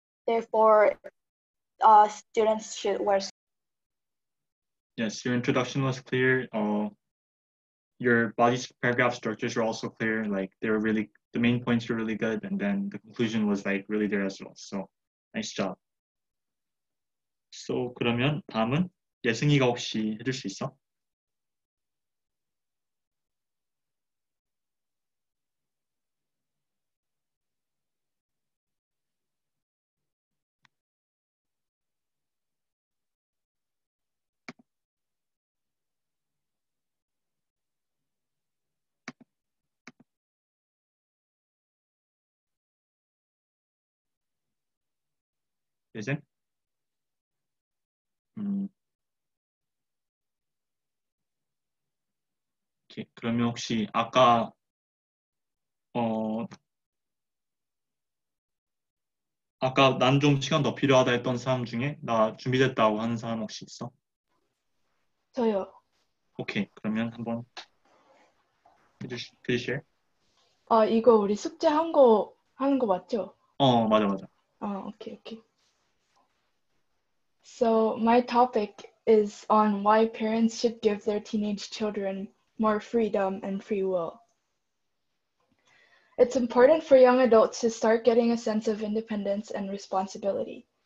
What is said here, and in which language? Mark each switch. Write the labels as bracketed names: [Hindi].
[English] Therefore, students should wear. Yes, your introduction was clear. Your body paragraph structures were also clear. Like, they were really, the main points were really good. And then the conclusion was like really there as well. So, nice job. [Korean] So, 그러면 다음은 예승이가 혹시 해줄 수 있어? [English] Is it? Okay. [Korean] 그러면 혹시 아까 아까 난 좀 시간 더 필요하다 했던 사람 중에 나 준비됐다고 하는 사람 혹시 있어? 저요. 오케이. Okay. 그러면 한번 해주시. 아 이거 우리 숙제 한 거 하는 거 맞죠? 어 맞아 맞아. 아 오케이 okay, 오케이. Okay. [English] So my topic is on why parents should give their teenage children more freedom and free will. It's important for young adults to start getting a sense of independence and responsibility.